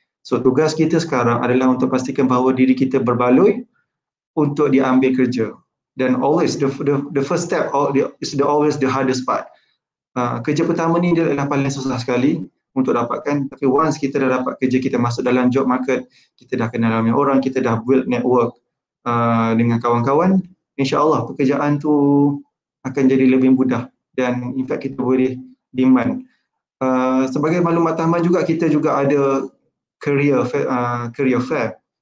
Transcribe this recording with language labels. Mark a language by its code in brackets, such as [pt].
[ms] So tugas kita sekarang adalah untuk pastikan bahawa diri kita berbaloi untuk diambil kerja. [en] Dan always the first step is the always the hardest part. [ms] Kerja pertama ni adalah paling susah sekali untuk dapatkan. Tapi once kita dah dapat kerja, kita masuk dalam job market, kita dah kenal ramai orang, kita dah [en] build network [ms] dengan kawan-kawan, insyaAllah pekerjaan tu akan jadi lebih mudah. Dan [en] in fact [ms] kita boleh demand. Sebagai maklumat tambahan juga, kita juga ada career fair.